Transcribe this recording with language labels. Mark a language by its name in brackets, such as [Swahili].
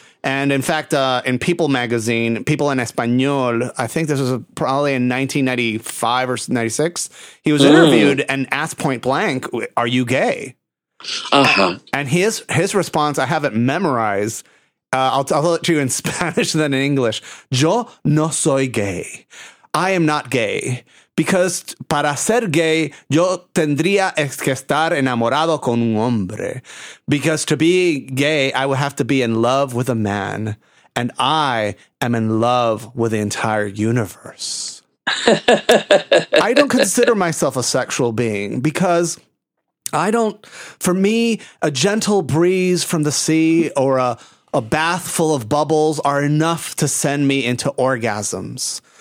[English] And in fact, in People magazine, People en Español, I think this was probably in 1995 or 96, he was interviewed and asked point blank, "Are you gay?" Uh-huh. And his response, I haven't memorized. I'll tell it to you in Spanish, then in English. [Spanish] Yo no soy gay. [English] I am not gay. Because [Spanish] para ser gay, yo tendría que estar enamorado con un hombre. [English] Because to be gay, I would have to be in love with a man. And I am in love with the entire universe. I don't consider myself a sexual being because I don't, for me, a gentle breeze from the sea or a bath full of bubbles are enough to send me into orgasms.